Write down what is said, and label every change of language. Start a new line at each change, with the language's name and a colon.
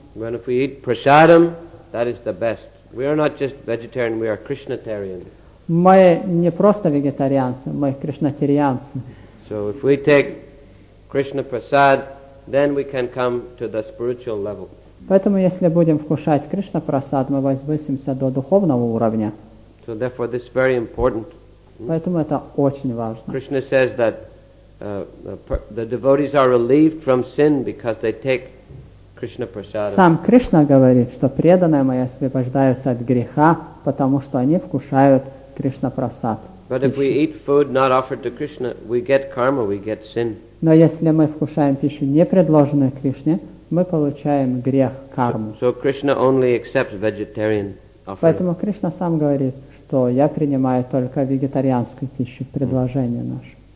English: When if we eat prasadam, that is the best. We are not just vegetarian, we are Krishnatarian.
Russian: Мы не просто вегетарианцы, мы кришнатарианцы.
English: So if we take Krishna prasad, then we can come to the spiritual level.
Russian: Поэтому если будем вкушать Кришна прасад, мы возвысимся до духовного уровня.
English: So therefore this is very important.
Russian: Поэтому это очень важно.
English: Krishna says that the devotees are relieved from sin because they take Krishna prasad.
Russian: Сам Кришна говорит, что преданные мои освобождаются от греха, потому что они вкушают Кришна-прасад.
English: But if we eat food not offered to Krishna, we get karma, we get sin.
Russian: Но если мы вкушаем пищу, не предложенную Кришне, мы получаем грех, карму.
English: So Krishna only accepts vegetarian offering.
Russian: Поэтому Кришна сам говорит, что я принимаю только вегетарианскую пищу, предложение наше.